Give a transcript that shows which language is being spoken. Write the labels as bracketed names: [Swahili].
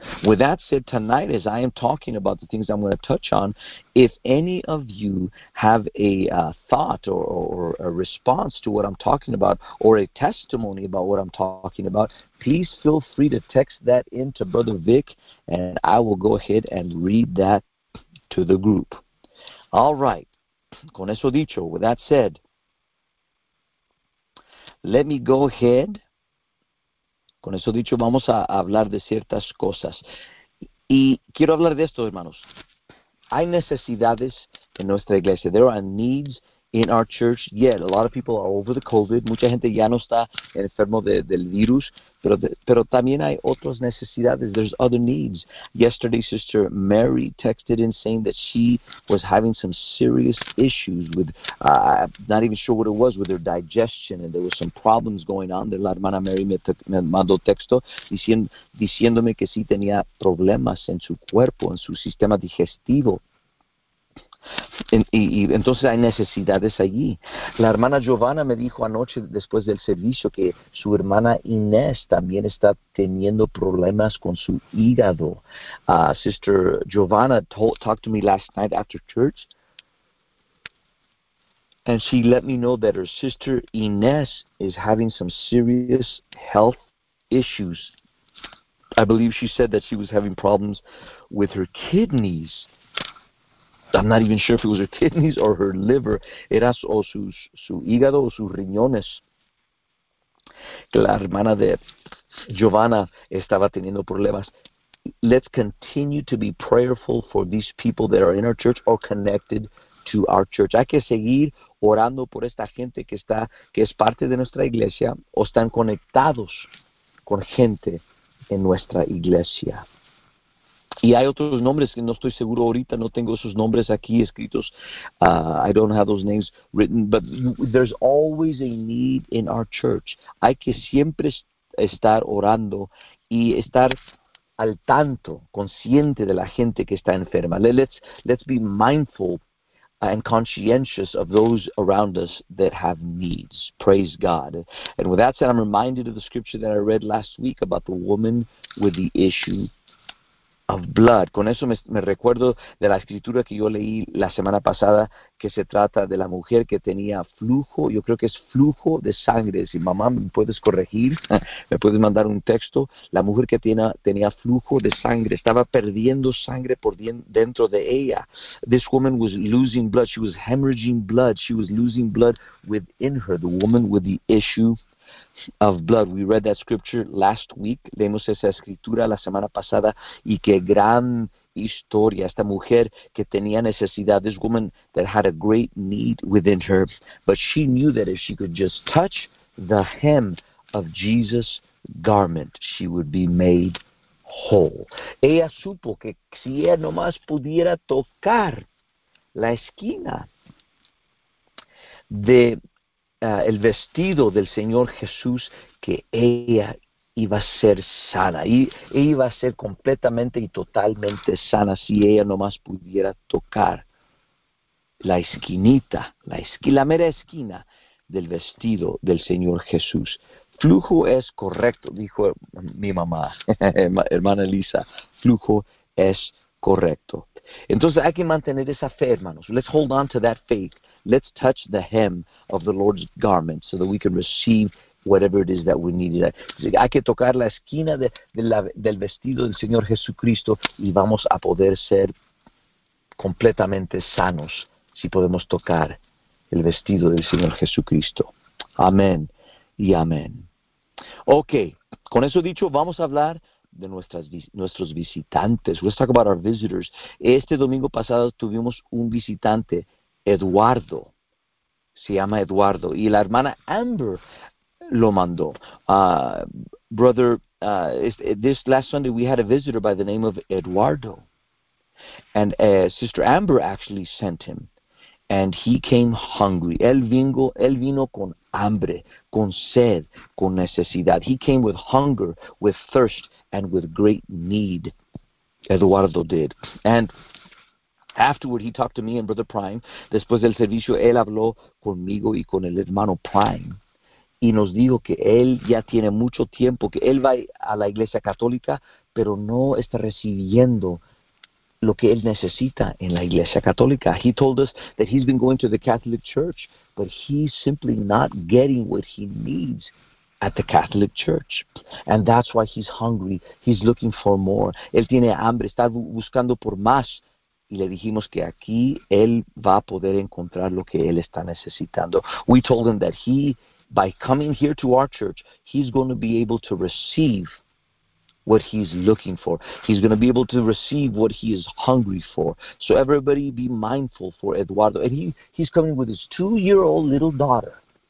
[English] With that said, tonight, as I am talking about the things I'm going to touch on, if any of you have a thought or a response to what I'm talking about, or a testimony about what I'm talking about, please feel free to text that in to Brother Vic, and I will go ahead and read that to the group. All right. [Spanish] Con eso dicho, [English] with that said, let me go ahead. [Spanish] Con eso dicho, vamos a hablar de ciertas cosas. Y quiero hablar de esto, hermanos. Hay necesidades en nuestra iglesia. [English] There are needs in our church. Yet, a lot of people are over the COVID. [Spanish] Mucha gente ya no está enfermo del virus. Pero también hay otras necesidades. [English] There's other needs. Yesterday, Sister Mary texted in saying that she was having some serious issues with, not even sure what it was, with her digestion, and there were some problems going on there. [Spanish] La hermana Mary me mandó texto diciéndome que sí tenía problemas en su cuerpo, en su sistema digestivo. Y entonces hay necesidades allí. La hermana Giovanna me dijo anoche después del servicio que su hermana Inés también está teniendo problemas con su hígado. [English] Sister Giovanna talked to me last night after church, and she let me know that her sister Inés is having some serious health issues. I believe she said that she was having problems with her kidneys. I'm not even sure if it was her kidneys or her liver. [Spanish] Era o su hígado o sus riñones. La hermana de Giovanna estaba teniendo problemas. [English] Let's continue to be prayerful for these people that are in our church or connected to our church. [Spanish] Hay que seguir orando por esta gente que es parte de nuestra iglesia o están conectados con gente en nuestra iglesia. Y hay otros nombres que no estoy seguro ahorita, no tengo esos nombres aquí escritos. [English] I don't have those names written, but there's always a need in our church. [Spanish] Hay que siempre estar orando y estar al tanto, consciente de la gente que está enferma. [English] Let's be mindful and conscientious of those around us that have needs. Praise God. And with that said, I'm reminded of the scripture that I read last week about the woman with the issue [Spanish] Hablar, con eso me recuerdo de la escritura que yo leí la semana pasada, que se trata de la mujer que tenía flujo, yo creo que es flujo de sangre. Si mamá me puedes corregir, me puedes mandar un texto. La mujer que tenía flujo de sangre, estaba perdiendo sangre por dentro de ella. [English] This woman was losing blood, she was hemorrhaging blood, she was losing blood within her, the woman with the issue of blood. We read that scripture last week. [Spanish] Leemos esa escritura la semana pasada, y qué gran historia. Esta mujer que tenía necesidad, [English] this woman that had a great need within her, but she knew that if she could just touch the hem of Jesus' garment, she would be made whole. [Spanish] Ella supo que si ella nomás pudiera tocar la esquina de el vestido del Señor Jesús, que ella iba a ser sana, y iba a ser completamente y totalmente sana si ella nomás pudiera tocar la esquinita, la mera esquina del vestido del Señor Jesús. Flujo es correcto, dijo mi mamá, hermana Elisa, flujo es correcto. Entonces hay que mantener esa fe, hermanos. [English] Let's hold on to that faith. Let's touch the hem of the Lord's garment so that we can receive whatever it is that we need. [Spanish] Hay que tocar la esquina del vestido del Señor Jesucristo, y vamos a poder ser completamente sanos si podemos tocar el vestido del Señor Jesucristo. Amén y amén. Ok, con eso dicho, vamos a hablar de nuestros visitantes. [English] Let's talk about our visitors. [Spanish] Este domingo pasado tuvimos un visitante, Eduardo. Se llama Eduardo. Y la hermana Amber lo mandó. [English] This last Sunday we had a visitor by the name of Eduardo. And Sister Amber actually sent him. And he came hungry. [Spanish] Él vino con hambre, con sed, con necesidad. [English] He came with hunger, with thirst, and with great need. Eduardo did. And afterward, he talked to me and Brother Prime. [Spanish] Después del servicio, él habló conmigo y con el hermano Prime. Y nos dijo que él ya tiene mucho tiempo, que él va a la iglesia católica, pero no está recibiendo lo que él necesita en la iglesia católica. [English] He told us that he's been going to the Catholic Church, but he's simply not getting what he needs at the Catholic Church. And that's why he's hungry. He's looking for more. [Spanish] Él tiene hambre, está buscando por más. Y le dijimos que aquí él va a poder encontrar lo que él está necesitando. [English] We told him that he, by coming here to our church, he's going to be able to receive what he's looking for. He's going to be able to receive what he is hungry for. So everybody be mindful for Eduardo. And he's coming with his two-year-old little daughter.